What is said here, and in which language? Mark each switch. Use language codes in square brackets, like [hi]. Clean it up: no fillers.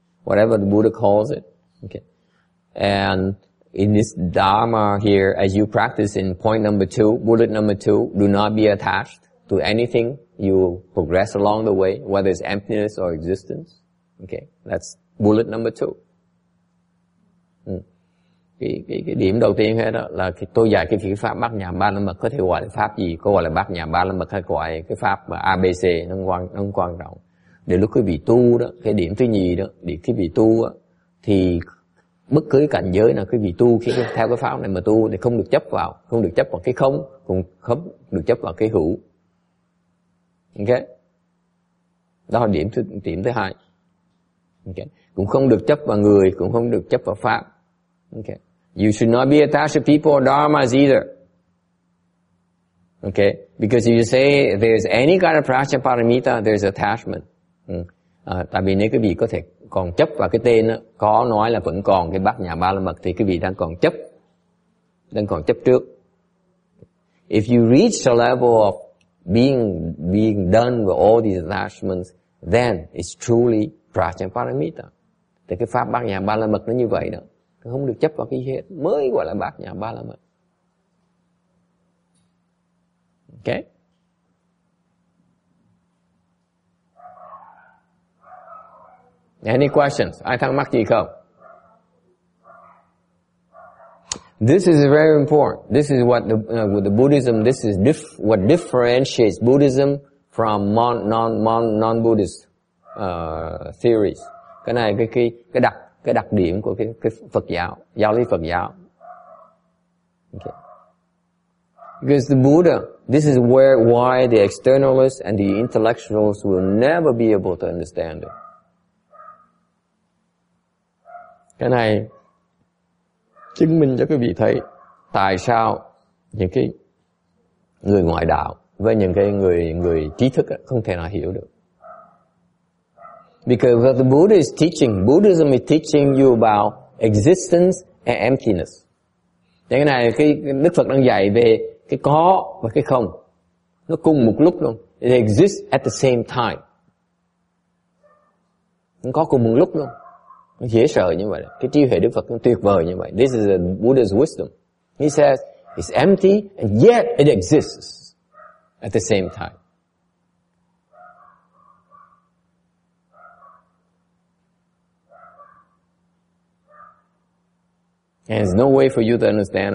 [en] Whatever the Buddha calls it. Okay. And in this dharma here, as you practice in point number two, bullet number two, do not be attached to anything. You progress along the way, whether it's emptiness or existence. Okay, that's bullet number two. [vi] Cái điểm đầu tiên hết đó là cái tôi dạy cái pháp bát nhã ba la mật, có thể gọi là pháp gì, có gọi là bát nhã ba la mật hay gọi cái pháp mà ABC, nó quan trọng. Để lúc quý vị tu đó, cái điểm thứ nhì đó, để quý vị tu đó, thì bất cứ cảnh giới nào quý vị tu khi theo cái pháp này mà tu thì không được chấp vào, không được chấp vào cái không, cũng không được chấp vào cái hữu. Ok, đó là điểm thứ hai. Ok, cũng không được chấp vào người, cũng không được chấp vào pháp. [en] Ok, you should not be attached to people or dharmas either. Ok, because if you say there's any kind of prajnaparamita, there's attachment. [vi] Tại vì nếu quý vị có thể còn chấp vào cái tên đó, có nói là vẫn còn cái bát nhã ba la mật, thì quý vị đang còn chấp trước. [en] If you reach the level of being done with all these attachments, then it's truly prajnaparamita. [vi] Thì cái pháp bát nhã ba la mật nó như vậy đó, không được chấp vào cái gì hết, mới gọi là bát nhã ba la mật. [en] Ok. Any questions? [vi] Ai thắc mắc gì không? [en] This is very important. This is what the Buddhism, this is what differentiates Buddhism from non-Buddhist theories. [vi] Cái này cái đặc điểm của cái Phật giáo, giáo lý Phật giáo. [en] Okay. Because the Buddha, this is why the externalists and the intellectuals will never be able to understand it. [vi] Cái này chứng minh cho quý vị thấy tại sao những cái người ngoại đạo với những cái người trí thức không thể nào hiểu được. [en] Because what the Buddha is teaching, Buddhism is teaching you about existence and emptiness. [vi] Thế cái này cái Đức Phật đang dạy về cái có và cái không. Nó cùng một lúc luôn. [en] It exists at the same time. [vi] Nó có cùng một lúc luôn. Dễ sợ như vậy. Cái trí huệ Đức Phật nó tuyệt vời như vậy. [en] This is a Buddha's wisdom. He says, it's empty and yet it exists at the same time. And there's no way for you to understand.